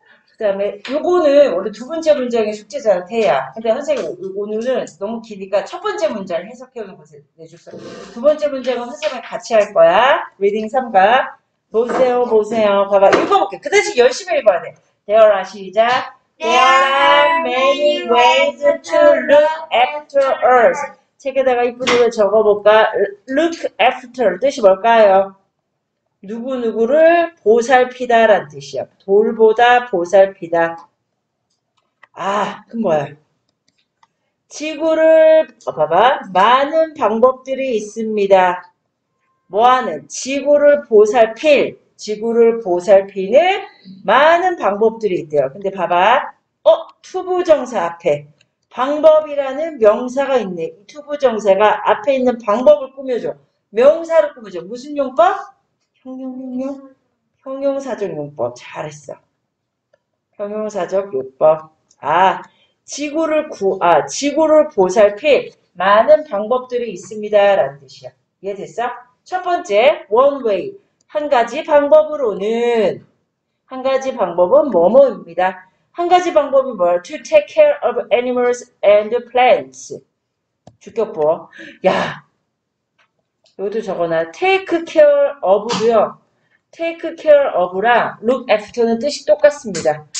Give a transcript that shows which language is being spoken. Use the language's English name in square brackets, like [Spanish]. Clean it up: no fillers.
[Korean] 그 다음에, 요거는, 원래 두 번째 문장의 숙제잖아, 태야. 근데 선생님, 오늘은 너무 기니까 첫 번째 문장을 해석해오는 것을 내줬어. 두 번째 문장은 선생님이 같이 할 거야. 리딩 3과. 보세요. 봐봐, 읽어볼게. 그 대신 열심히 읽어야 돼. 대열아, 시작. [English] There are many ways to look after Earth. [Korean] 책에다가 이쁜 글을 적어볼까? Look after 뜻이 뭘까요? 누구누구를 보살피다 라는 뜻이야. 돌보다 보살피다. 아, 그 뭐야? 지구를 봐봐. 많은 방법들이 있습니다. 뭐하는? 지구를 보살필. 지구를 보살피는 많은 방법들이 있대요. 근데 봐봐. 투부정사 앞에 방법이라는 명사가 있네. 투부정사가 앞에 있는 방법을 꾸며줘. 명사를 꾸며줘. 무슨 용법? 형용용용? 형용사적 용법. 잘했어. 형용사적 용법. 지구를 보살필 많은 방법들이 있습니다. 라는 뜻이야. 이해됐어? 첫 번째, [English] one way. [Korean] 한 가지 방법으로는, 한 가지 방법은 뭐뭐입니다. 한 가지 방법은 뭐야? [English] To take care of animals and plants. [Korean] 주격보. 야. 이것도 적어놔. Take care of고요. Take care of랑 look after는 뜻이 똑같습니다.